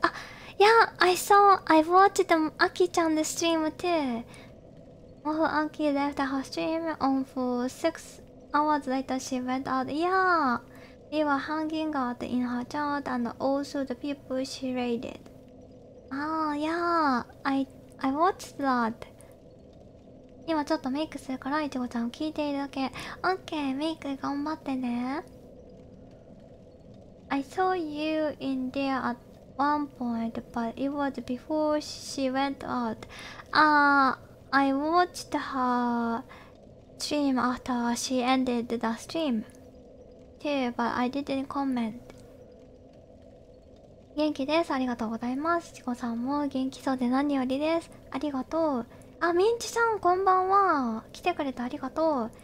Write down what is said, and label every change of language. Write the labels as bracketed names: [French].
[English] Ah, yeah, I watched the Aki-chan stream too. Move Aki left her stream on for 6 hours later she went out. Yeah, we were hanging out in her chat and also the people she raided. ああ、いやー、I watched that. [Japanese] 今ちょっとメイクするから、いちごちゃん聞いているだけ。OK、メイク頑張ってね。 [English] I saw you in there at one point, but it was before she went out. I watched her stream after she ended the stream too, but I didn't comment. [Japanese] 元気です。ありがとうございます。ちこさんも元気そうで何よりです。ありがとう。あ、ミンチさん、こんばんは。来てくれてありがとう。